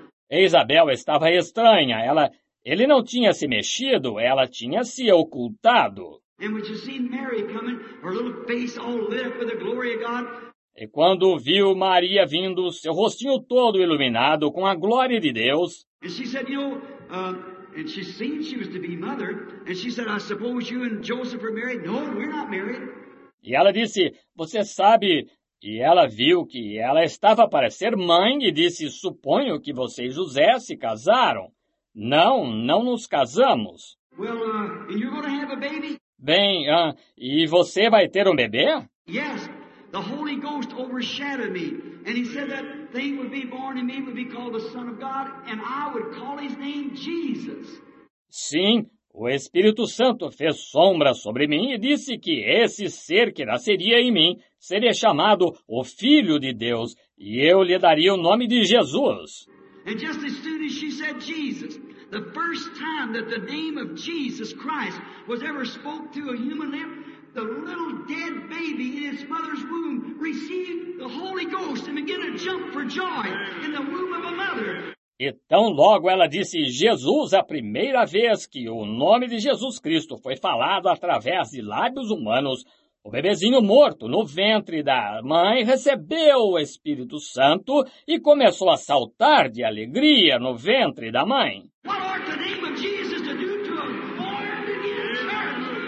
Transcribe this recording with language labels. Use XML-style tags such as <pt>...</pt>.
<pt>Isabel estava estranha. Ele não tinha se mexido, ela tinha se ocultado. E quando você viu</pt> <en>Mary coming, her little face all lit up with the glory of God.</en> <pt>E quando viu Maria vindo, seu rostinho todo iluminado com a glória de Deus.</pt> <en>And she said, you know, and she seemed she was to be mother. And she said, I suppose you and Joseph are married. No, we're not married.</en> <pt>E ela disse, você sabe, e ela viu que ela estava para ser mãe e disse, suponho que você e José se casaram. Não, não nos casamos.</pt> <en>Well, and you're going to have a baby?</en> <pt>Bem, e você vai ter um bebê?</pt> <en>Yes. The Holy Ghost overshadowed me, and he said that thing would be born in me, would be called the Son of God, and I would call his name Jesus.</en> <pt>Sim, o Espírito Santo fez sombra sobre mim e disse que esse ser que nasceria em mim seria chamado o Filho de Deus, e eu lhe daria o nome de Jesus.</pt> <en>And just as soon as she said Jesus, the first time that the name of Jesus Christ was ever spoke to a human lip, the little dead baby in its mother's womb received the Holy Ghost and began to jump for joy in the womb of a mother.</en> <pt>E tão logo ela disse Jesus a primeira vez que o nome de Jesus Cristo foi falado através de lábios humanos, o bebezinho morto no ventre da mãe recebeu o Espírito Santo e começou a saltar de alegria no ventre da mãe.</pt> <en>What ought the name of Jesus to do to a born again child?</en>